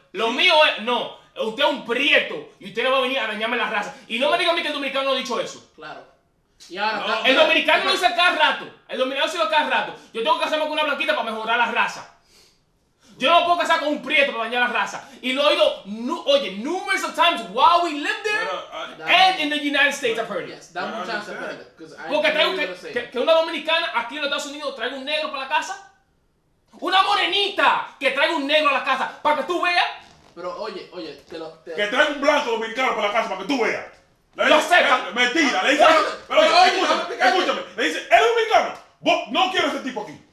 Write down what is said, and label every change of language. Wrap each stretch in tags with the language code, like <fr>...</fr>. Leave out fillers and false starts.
<es>Lo mío es, no. Usted es un prieto y usted no va a venir a dañarme la raza. Y no me diga a mí que el dominicano no ha dicho eso. Claro. Y ahora, el dominicano lo dice cada rato. El dominicano se lo dice cada rato. Yo tengo que casarme con una blanquita para mejorar la raza. Yo no puedo casar con un prieto para dañar la raza.</es> <en>Y lo he oído, numerous of times while we live there, and in the United States, I've heard it. Yes, that's much chance, I've heard it.</en> <es>Porque traigo que una dominicana aquí en los Estados Unidos traiga un negro para la casa. Una morenita que traiga un negro a la casa para que tú veas. Pero oye, que traiga un blanco dominicano para la casa para que tú veas. Lo sé. Mentira, le dice. Pero escúchame, le dice, ¿eres dominicano? No quiero ese tipo aquí.</es>